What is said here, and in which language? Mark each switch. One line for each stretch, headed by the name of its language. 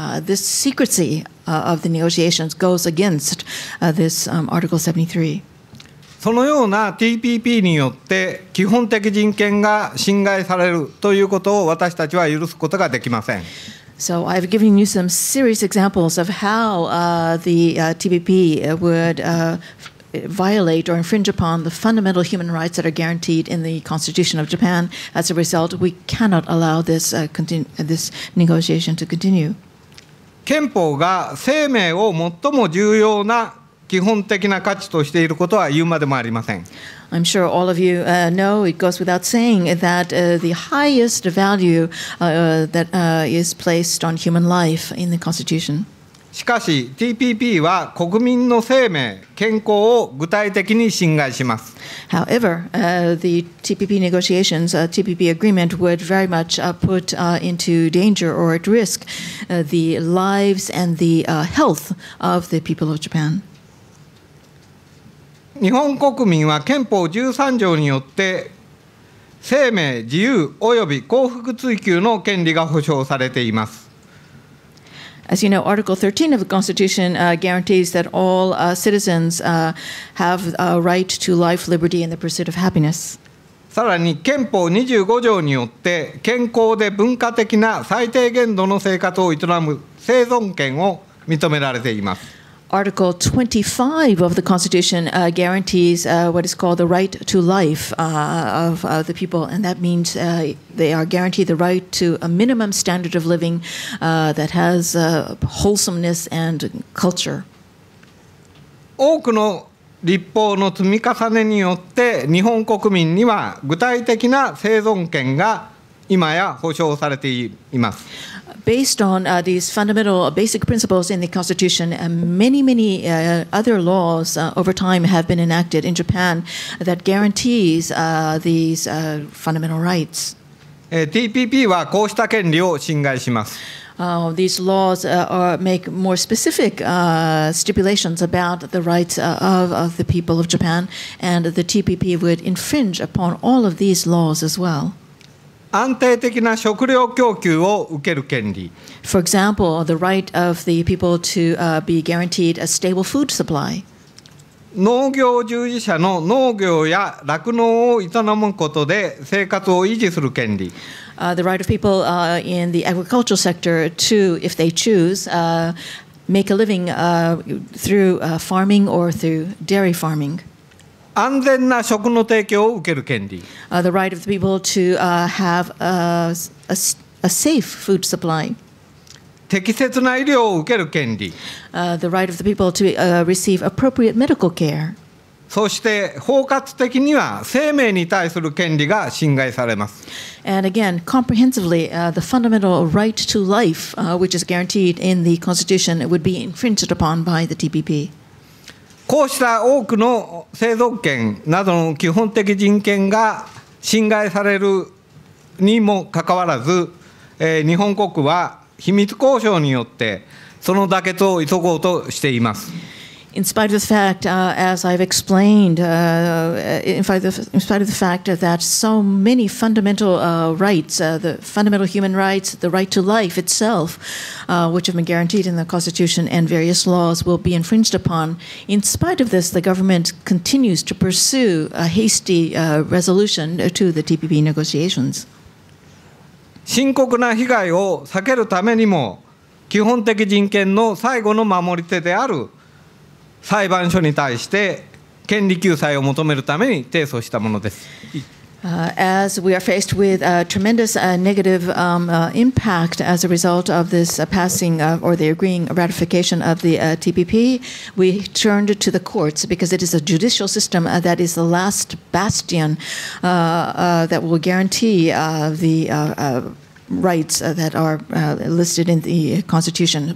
English: This secrecy of the negotiations goes against this Article 73.
Japanese: そのような TPP によって基本的人権が侵害されるということを私たちは許すことができません。
English: So I've given you some serious examples of how the TPP would violate or infringe upon the fundamental human rights that are guaranteed in the Constitution of Japan. As a result, we cannot allow this, this negotiation to continue.
Japanese: 憲法が生命を最も重要な基本的な価値としていることは言うまでもありません。
English: I'm sure all of you know it goes without saying that the highest value that is placed on human life in the Constitution.
Japanese: しかし TPP は国民の生命、健康を具体的に侵害します。
English: However, the TPP negotiations, TPP agreement would very much put into danger or at risk the lives and the health of the people of Japan.
Japanese: 日本国民は憲法13条によって生命、自由及び幸福追求の権利が保障されています。
English: As you know, Article 13 of the Constitution guarantees that all citizens have a right to life, liberty, and the pursuit of happiness.
Japanese: さらに憲法25条によって健康で文化的な最低限度の生活を営む生存権を認められています。
English: Article 25 of the Constitution guarantees what is called the right to life of the people, and that means they are guaranteed the right to a minimum standard of living that has wholesomeness and culture.
Japanese: 多くの立法の積み重ねによって日本国民には具体的な生存権が今や保障されています。
English: Based on these fundamental basic principles in the Constitution, many, many other laws over time have been enacted in Japan that guarantees these fundamental rights.
Japanese: TPP はこうした権利を侵害します。
English: These laws make more specific stipulations about the rights of the people of Japan, and the TPP would infringe upon all of these laws as well.
Japanese: 安定的な食料供給を受ける権利。
English: For example, the right of the people to be guaranteed a stable food supply.
Japanese: 農業従事者の農業や酪農を営むことで生活を維持する権利。
English: The right of people in the agricultural sector to, if they choose, make a living through farming or through dairy farming.
Japanese: 安全な食の提供を受ける権利。
English: The right of the people to have a safe food supply.
Japanese: 適切な医療を受ける権利。
English: The right of the people to receive appropriate medical care.
Japanese: そして包括的には生命に対する権利が侵害されます。
English: And again, comprehensively, the fundamental right to life, which is guaranteed in the Constitution, would be infringed upon by the TPP.
Japanese: こうした多くの生存権などの基本的人権が侵害されるにもかかわらず、日本国は秘密交渉によってその妥結を急ごうとしています。
English: In spite of the fact, as I've explained, in spite of the fact that so many fundamental rights, the fundamental human rights, the right to life itself, which have been guaranteed in the Constitution and various laws, will be infringed upon. In spite of this, the government continues to pursue a hasty resolution to the TPP negotiations.
Japanese: 深刻な被害を避けるためにも基本的人権の最後の守り手である裁判所に対して権利救済を求めるために提訴したものです。
English: As we are faced with a tremendous negative impact as a result of this passing or the agreeing ratification of the TPP, we turned to the courts because it is a judicial system that is the last bastion that will guarantee the rights that are listed in the Constitution.